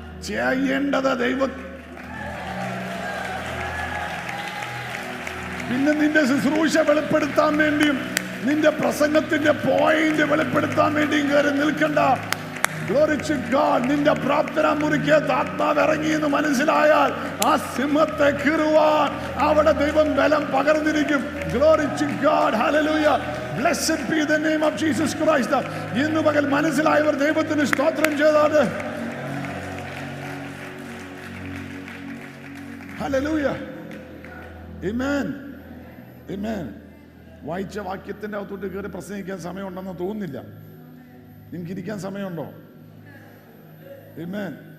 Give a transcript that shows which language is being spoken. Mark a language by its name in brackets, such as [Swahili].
[Malayalam] ചെയ്യേണ്ടത് ദൈവം, പിന്നെ നിന്റെ ശുശ്രൂഷ വെളിപ്പെടുത്താൻ വേണ്ടിയും നിന്റെ പ്രസംഗത്തിന്റെ പോയിന്റ് വെളിപ്പെടുത്താൻ വേണ്ടിയും കയറി നിൽക്കണ്ട. [English] Glory to God. [Malayalam] നിന്റെ പ്രാർത്ഥന മുറിക്കേ ആത്മാവ് ഇറങ്ങി എന്ന് മനസ്സിലായാൽ ആ സിംഹത്തെ കീറുവാൻ അവിടെ ദൈവം ബലം പകർന്നിരിക്കും. [English] Glory to God. Hallelujah. Blessed be the name of Jesus Christ. [Malayalam] ഇന്ന് പകൽ മനസ്സിലായവർ ദൈവത്തിന് സ്തോത്രം ചെയ്താണ്. [English] Hallelujah. Amen. Amen. [Malayalam] വായിച്ച വാക്യത്തിന്റെ അകത്തോട്ട് കയറി പ്രസംഗിക്കാൻ സമയമുണ്ടെന്ന് തോന്നുന്നില്ല. നിങ്ങൾക്ക് ഇരിക്കാൻ സമയമുണ്ടോ? ആമേൻ.